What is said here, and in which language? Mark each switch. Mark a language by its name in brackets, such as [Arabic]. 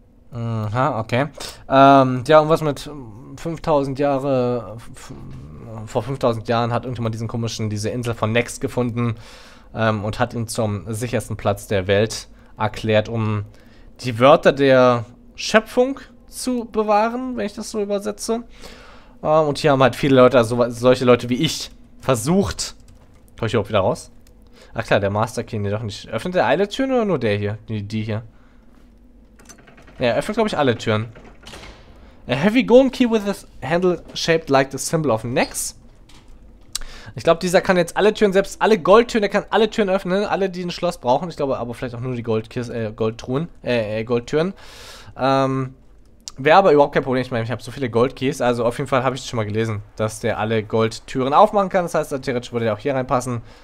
[German] Okay. Ja, und was mit 5000 Jahre, vor 5000 Jahren hat irgendjemand diesen komischen, diese Insel von Next gefunden, und hat ihn zum sichersten Platz der Welt erklärt, um die Wörter der Schöpfung zu bewahren, wenn ich das so übersetze. Und hier haben halt viele Leute, also solche Leute wie ich, versucht. Komm ich überhaupt wieder raus? Ach klar, der Master Key, nee, doch nicht. Öffnet der alle Türen oder nur der hier? Die hier. Ja, er öffnet, glaube ich, alle Türen. [English] A heavy golden key with a handle shaped like the symbol of Nex. [German] Ich glaube, dieser kann jetzt alle Türen, selbst alle Goldtüren, der kann alle Türen öffnen, alle, die ein Schloss brauchen. Ich glaube, aber vielleicht auch nur die Goldtruhen, Goldtüren. Wäre aber überhaupt kein Problem. Ich meine, ich habe so viele Goldkeys. Also auf jeden Fall habe ich das schon mal gelesen, dass der alle Goldtüren aufmachen kann. Das heißt, theoretisch würde der auch hier reinpassen.